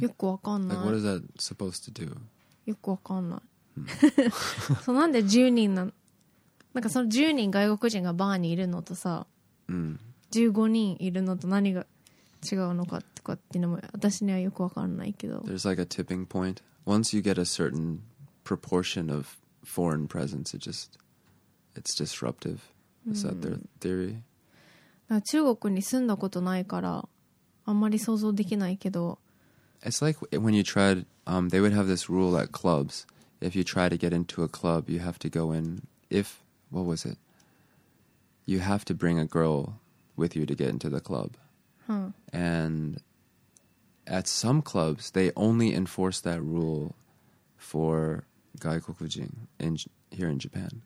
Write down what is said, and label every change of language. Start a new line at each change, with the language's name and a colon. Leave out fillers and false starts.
Japanese: よくわかんない
English: Like what is that supposed to do?
Japanese: よくわかんない、うん、そうなんで10人なんかその10人外国人がバーにいるのとさ、うん、 15人いるのと何が違うのかとかっていうのも私にはよくわかんないけど
English: There's like a tipping pointOnce you get a certain proportion of foreign presence, it's disruptive. Is that their theory?
Japanese: 中国に住んだことないからあんまり想像できないけど
English: It's like when you tried, they would have this rule at clubs. If you try to get into a club, you have to go in, what was it? You have to bring a girl with you to get into the club. Huh. And... At some clubs, they only enforce that rule for 外国人 here in Japan.